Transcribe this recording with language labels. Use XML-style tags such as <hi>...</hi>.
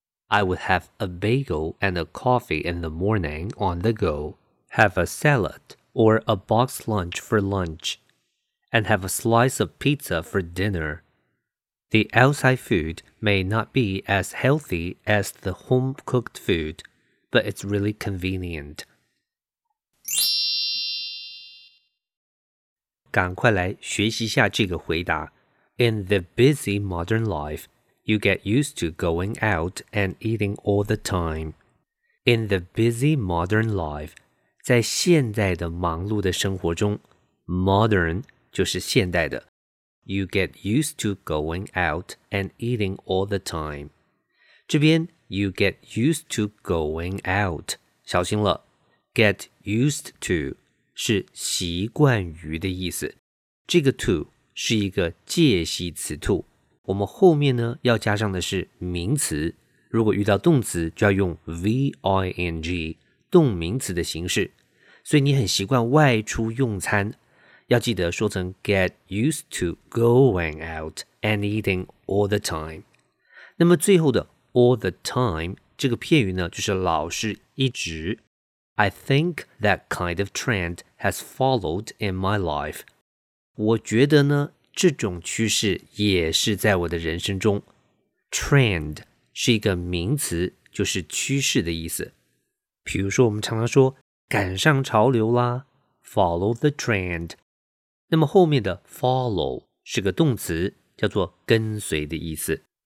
<en>I would have a bagel and a coffee in the morning on the go, have a salad or a box lunch for lunch, and have a slice of pizza for dinner. The outside food may not be as healthy as the home-cooked food, but it's really convenient.</en> <zh>赶快来学习一下这个回答。</zh> <en>In the busy modern life, you get used to going out and eating all the time. In the busy modern life,</en> <zh>在现在的忙碌的生活中 ,modern 就是现代的。</zh> <en>You get used to going out and eating all the time.</en> <zh>这边</zh> <en>you get used to going out,</en> <zh>小心了</zh> <en>,get used to.</en> <zh>是习惯于的意思。这个 to 是一个介系词 to。我们后面呢要加上的是名词。如果遇到动词就要用 ving, 动名词的形式。所以你很习惯外出用餐。要记得说成</zh> <en>get used to going out and eating all the time。</en> <zh>那么最后的</zh> <en>all the time,</en> <zh>这个片语呢就是老是一直。</zh> <en>I think that kind of trend has followed in my life.</en> <zh>我觉得呢，这种趋势也是在我的人生中。</zh> <en>Trend</en> <zh>是一个名词，就是趋势的意思。比如说我们常常说，赶上潮流啦 ,</zh> <en>follow the trend.</en> <zh>那么后面的 follow 是个动词，叫做跟随的意思。</zh>